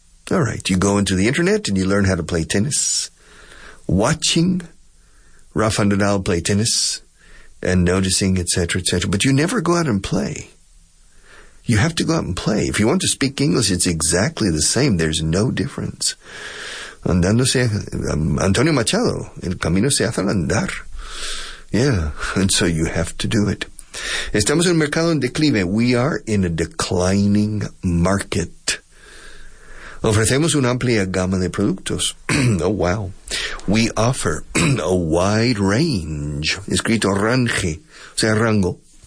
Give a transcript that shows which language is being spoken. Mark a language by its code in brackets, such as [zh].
[en] All right, you go into the internet and you learn how to play tennis. Watching Rafa Nadal play tennis and noticing, etc., etc. But you never go out and play. You have to go out and play. If you want to speak English, it's exactly the same. There's no difference. [es] Antonio Machado, El Camino se hace al andar. [en] Yeah, and so you have to do it. [es] Estamos en un mercado en declive. [en] We are in a declining market. [es] Ofrecemos una amplia gama de productos. [en] Oh, wow. We offer a wide range. Escrito range. [es] O sea, rango.